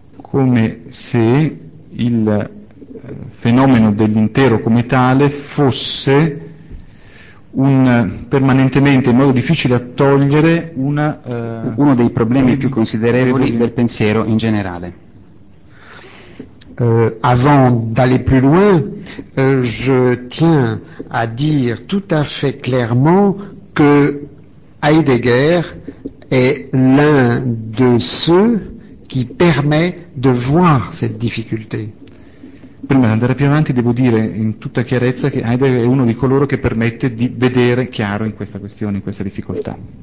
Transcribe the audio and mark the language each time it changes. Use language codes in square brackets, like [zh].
[it] Come se il fenomeno dell'intero come tale fosse permanentemente in modo difficile a togliere uno dei problemi più considerevoli del pensiero in generale. [fr] Avant d'aller plus loin, je tiens à dire tout à fait clairement que Heidegger est l'un de ceux qui permet de voir cette difficulté. [it] Prima di andare più avanti devo dire in tutta chiarezza che Heidegger è uno di coloro che permette di vedere chiaro in questa questione, in questa difficoltà.